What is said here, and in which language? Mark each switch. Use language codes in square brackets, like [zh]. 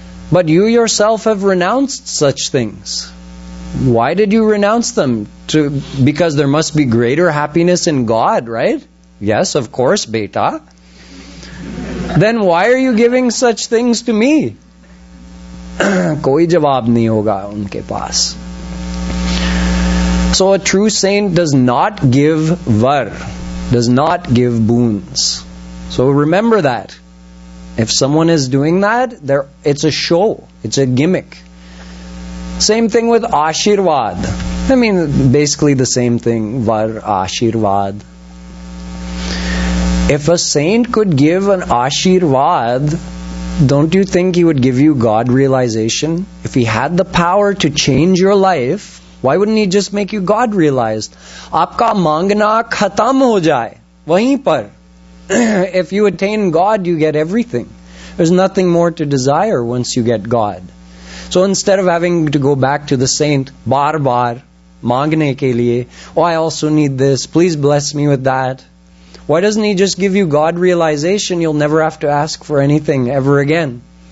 [en] But you yourself have renounced such things. Why did you renounce them? Because there must be greater happiness in God, right? Yes, of course, beta. Then why are you giving such things to me? [hi] कोई जवाब नहीं होगा उनके पास. [en] So a true saint does not give var, does not give boons. So remember that. If someone is doing that, it's a show, it's a gimmick. Same thing with ashirvad. I mean, basically the same thing, var, ashirvad. If a saint could give an ashirvad, don't you think he would give you God realization? If he had the power to change your life, why wouldn't he just make you God realized? [hi] आपका मांगना खत्म हो जाए, वहीं पर. [en] If you attain God, you get everything. There's nothing more to desire once you get God. So instead of having to go back to the saint [hi] bar bar, mangne ke liye, [en] oh, I also need this, please bless me with that. Why doesn't he just give you God realization? You'll never have to ask for anything ever again.